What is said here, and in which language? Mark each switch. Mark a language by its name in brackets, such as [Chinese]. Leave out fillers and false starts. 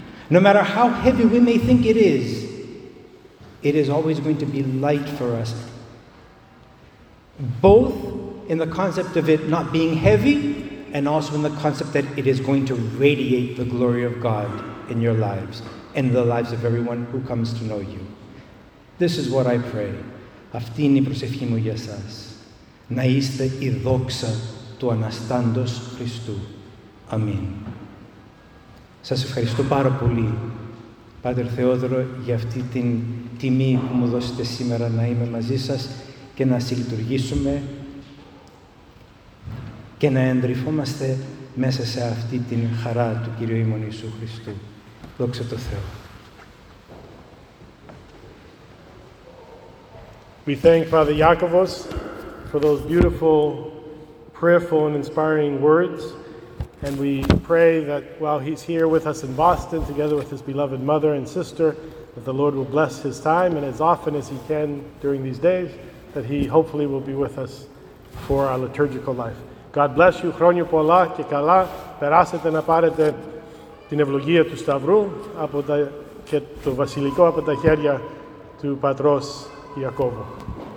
[English] No matter how heavy we may think it is always going to be light for us. Both in the concept of it not being heavy, and also in the concept that it is going to radiate the glory of God in your lives, and the lives of everyone who comes to know you. This is what I pray. [Greek] Αυτή είναι η προσευχή μου για σας. Να είστε η δόξα του Αναστάντος Χριστού. Αμήν. Σας ευχαριστώ πάρα πολύ, Πάτερ Θεόδωρο, για αυτή την τιμή που μου δώσετε σήμερα να είμαι μαζί σας και να συλλειτουργήσουμε και να εντρυφόμαστε μέσα σε αυτή την χαρά του Κυρίου ημών Ιησού Χριστού. Δόξα τω Θεώ. [English] We thank Father Iakovos for those beautiful, prayerful and inspiring words. And we pray that while he's here with us in Boston, together with his beloved mother and sister, that the Lord will bless his time, and as often as he can during these days, that he hopefully will be with us for our liturgical life. God bless you, [Greek] χρόνια πολλά και καλά, περάσετε να πάρετε την ευλογία του Σταυρού και το βασιλικό από τα χέρια του Πατρός Ιακώβου.